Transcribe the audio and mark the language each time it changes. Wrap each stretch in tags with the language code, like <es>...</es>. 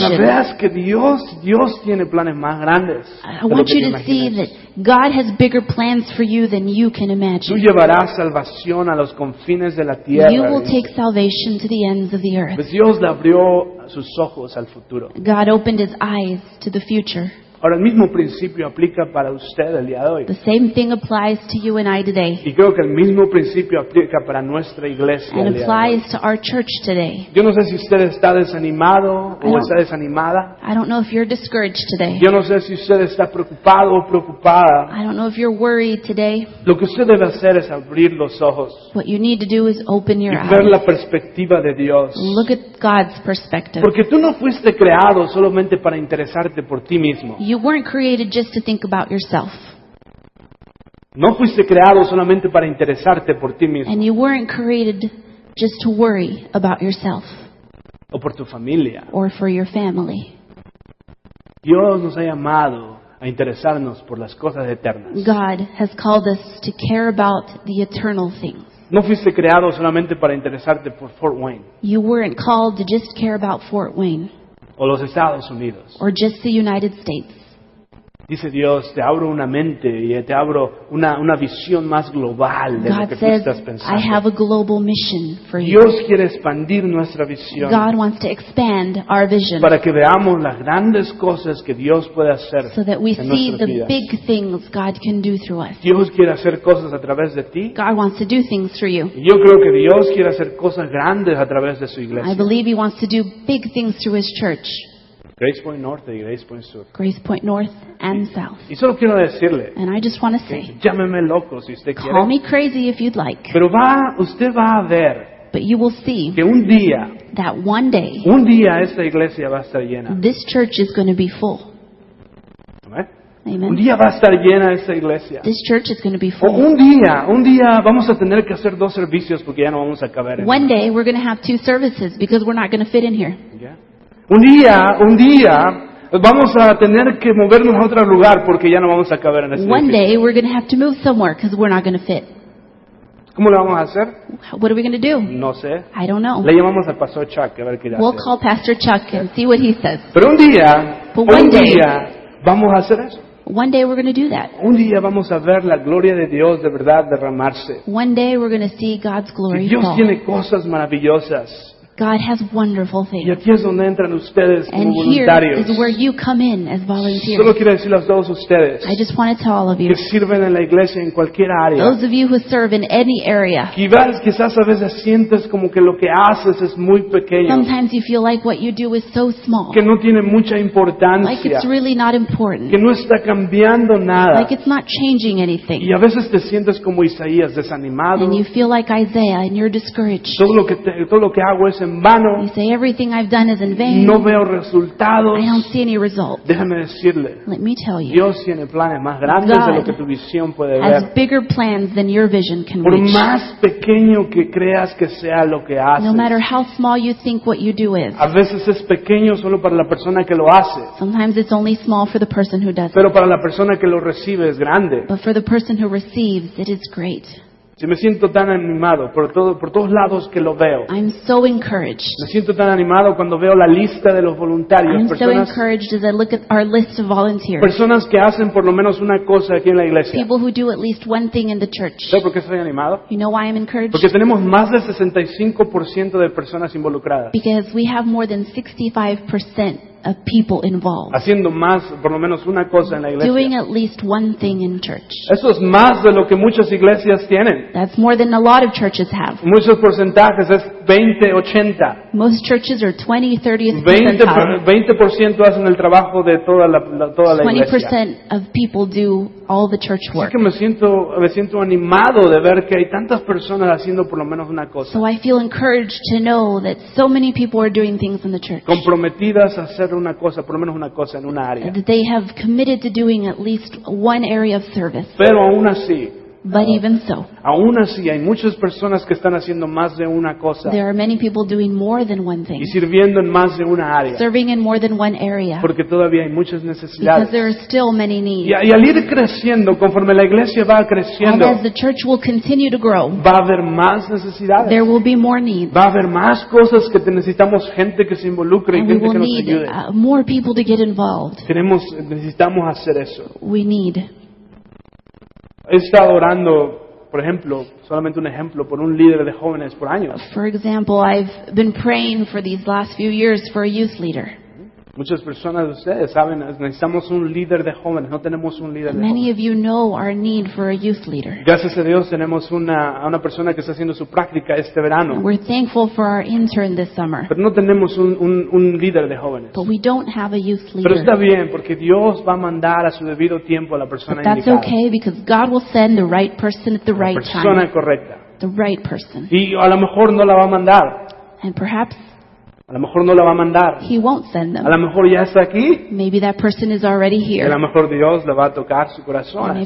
<es>Para veas que Dios tiene planes más grandes.</es> <en>I want you to see that God has bigger plans for you than you can imagine.</en> <es>Tú llevarás salvación a los confines de la tierra.</es> <en>You will take salvation to the ends of the earth.</en> <es>Pues Dios le abrió sus ojos al futuro.</es> <en>God opened his eyes to the future.</en> <es>Ahora el mismo principio aplica para usted el día de hoy.</es> <en>The same thing applies to you and I today.</en> <es>Y creo que el mismo principio aplica para nuestra iglesia el día de hoy.</es> <en>And applies to our church today.</en> <es>Yo no sé si usted está desanimado o está desanimada.</es> <en>I don't know if you're discouraged today.</en> <es>Yo no sé si usted está preocupado o preocupada.</es> <en>I don't know if you're worried today.</en> <es>Lo que usted debe hacer es abrir los ojos.</es> <en>What you need to do is open your eyes.</en> <es>Ver la perspectiva de Dios.</es> <en>Look at God's perspective.</en> <es>Porque tú no fuiste creado solamente para interesarte por ti mismo.</es> <en>You weren't created just to think about yourself.</en> <es>No fuiste creado solamente para interesarte por ti mismo.</es> <en>And you weren't created just to worry about yourself.</en> <es>O por tu familia.</es> <en>Or for your family.</en> <es>Dios nos ha llamado a interesarnos por las cosas eternas.</es> <en>God has called us to care about the eternal things.</en> <es>No fuiste creado solamente para interesarte por Fort Wayne.</es> <en>You weren't called to just care about Fort Wayne.</en> <es>O los Estados Unidos.</es> <en>Or just the United States.</en> <es>Dice Dios, te abro una mente y te abro una visión más global de</es> <en>God</en> <es>lo que</es> <en>says,</en> <es>tú estás pensando.</es> <en>I have a global mission for</en> <es>Dios</es> <en>you.</en> <es>Dios quiere expandir nuestra visión.</es> <en>God wants to expand our vision.</en> <es>Para que veamos las grandes cosas que Dios puede hacer</es> <en>so that we</en> <es>en</es> <en>see the</en> <es>vidas.</es> <en>Big things God can do through us.</en> <es>Dios quiere hacer cosas a través de ti.</es> <en>God wants to do things through you.</en> <es>Yo creo que Dios quiere hacer cosas grandes a través de su iglesia.</es> <en>I believe he wants to do big things through his church.</en> <es>Grace Point North y Grace Point Sur.</es> <en>Grace Point North and South.</en> <es>Y solo quiero decirle.</es> <en>And I just want to say.</en> <es>Llámeme loco si usted quiere.</es> <en>Call me crazy if you'd like.</en> <es>Pero usted va a ver.</es> <en>But you will see.</en> <es>Que un día.</es> <en>That one day.</en> <es>Un día esta iglesia va a estar llena.</es> <en>This church is going to be full.</en> <es>Amen.</es> <en>Amen.</en> <es>Un día va a estar llena esta iglesia.</es> <en>This church is going to be full.</en> <es>Un día vamos a tener que hacer dos servicios porque ya no vamos a caber.</es> <en>One day we're going to have two services because we're not going to fit in here.</en> <es>Yeah. Un día Vamos a tener que movernos a otro lugar porque ya no vamos a caber en ese edificio.</es> <en>One day we're going to have to move somewhere because we're not going to fit.</en> <es>¿Cómo lo vamos a hacer?</es> <en>What are we going to do?</en> <es>No sé.</es> <en>I don't know.</en> <es>Le llamamos al Pastor Chuck a ver qué dice.</es> <en>We'll call Pastor Chuck and see what he says.</en> <es>Pero un día, vamos a hacer eso.</es> <en>One day we're going to do that.</en> <es>Un día vamos a ver la gloria de Dios de verdad derramarse.</es> <en>One day we're going to see God's glory.</en> <es>Dios tiene cosas maravillosas.</es> <en>God has wonderful things.</en> <es>Y aquí es donde entran ustedes como</es> <en>and</en> <es>voluntarios.</es> <en>Here is where you come in as volunteers.</en> <es>Solo quiero decir a todos ustedes.</es> <en>I just want to tell all of you.</en> <es>Que sirven en la iglesia en cualquier área.</es> <en>Those of you who serve in any area.</en> <es>Quizás a veces sientes como que lo que haces es muy pequeño.</es> <en>Sometimes you feel like what you do is so small.</en> <es>Que no tiene mucha importancia.</es> <en>Like it's really not important.</en> <es>Que no está cambiando nada.</es> <en>Like it's not changing anything.</en> <es>Y a veces te sientes como Isaías, desanimado.</es> <en>And you feel like Isaiah and you're discouraged.</en> <es>Todo lo que hago es en vano.</es> <en>You say everything I've done is in vain.</en> <es>No veo resultados.</es> <en>I don't see any results.</en> <es>Déjame decirle.</es> <en>Let me tell you.</en> <es>Dios tiene planes más grandes de lo que tu visión puede ver.</es> <en>God has bigger plans than your vision can reach.</en> <es>Por más pequeño que creas que sea lo que haces.</es> <en>No matter how small you think what you do is.</en> <es>A veces es pequeño solo para la persona que lo hace.</es> <en>Sometimes it's only small for the person who does it.</en> <es>Pero para la persona que lo recibe es grande.</es> <en>But for the person who receives it is great.</en> <es>Si me siento tan animado por todos lados que lo veo.</es> <en>I'm so encouraged.</en> <es>Me siento tan animado cuando veo la lista de los voluntarios.</es> <en>I'm</en> <es>personas,</es> <en>so encouraged as I look at our list of volunteers.</en> <es>Personas que hacen por lo menos una cosa aquí en la iglesia.</es> <en>People who do at least one thing in the church.</en> <es>¿Sabes por qué estoy animado?</es> <en>You know why I'm encouraged?</en> <es>Porque tenemos más del 65% de personas involucradas.</es> <en>Because we have more than 65% of people involved.</en> <es>Haciendo más, por lo menos una cosa en la iglesia.</es> <en>Doing at least one thing in church.</en> <es>Eso es más de lo que muchas iglesias tienen.</es> <en>That's more than a lot of churches have.</en> <es>Muchos porcentajes es 20-80.</es> <en>Most churches are 20-30%.</en> <es>20% hacen el trabajo de toda la iglesia.</es> <en>20% of people do all the church work.</en> <es>Así que me siento animado de ver que hay tantas personas haciendo por lo menos una cosa.</es> <en>So I feel encouraged to know that so many people are doing things in the church.</en> <es>Comprometidas a hacer una cosa, por lo menos una cosa en una área.</es> <en>That they have committed to doing at least one area of service.</en> <es>Pero aún así.</es> <en>But even so.</en> <es>Aún así hay muchas personas que están haciendo más de una cosa.</es> <en>There are many people doing more than one thing.</en> <es>Y sirviendo en más de una área.</es> <en>Serving in more than one area.</en> <es>Porque todavía hay muchas necesidades.</es> <en>Because there are still many needs.</en> <es>Y al ir creciendo, conforme la iglesia va creciendo.</es> <en>And as the church will continue to grow.</en> <es>Va a haber más necesidades.</es> <en>There will be more needs.</en> <es>Va a haber más cosas que necesitamos gente que se involucre</es> <en>and</en> <es>y gente que nos ayude.</es> <en>And we will need more people to get involved.</en> <es>Necesitamos hacer eso.</es> <en>We need.</en> <es>He estado orando, por ejemplo, solamente un ejemplo, por un líder de jóvenes por años.</es> <en>For example, I've been praying for these last few years for a youth leader.</en> <es>Muchas personas de ustedes saben, necesitamos un líder de jóvenes, no tenemos un líder de jóvenes.</es> <en>Many of you know our need for a youth leader.</en> <es>Gracias a Dios tenemos una persona que está haciendo su práctica este verano.</es> <en>We're thankful for our intern this summer.</en> <es>Pero no tenemos un líder de jóvenes.</es> <en>But we don't have a youth leader.</en> <es>Pero está bien, porque Dios va a mandar a su debido tiempo a la persona indicada.</es> <en>But that's okay, because God will send the right person at the right time.</en> <es>La persona correcta.</es> <en>The right person.</en> <es>Y a lo mejor no la va a mandar.</es> <en>And perhaps</en> <es>a lo mejor no la va a mandar.</es> <en>He won't send them.</en> <es>A lo mejor ya está aquí.</es> <en>Maybe that person is already here.</en> <es>A lo mejor Dios le va a tocar su corazón.</es>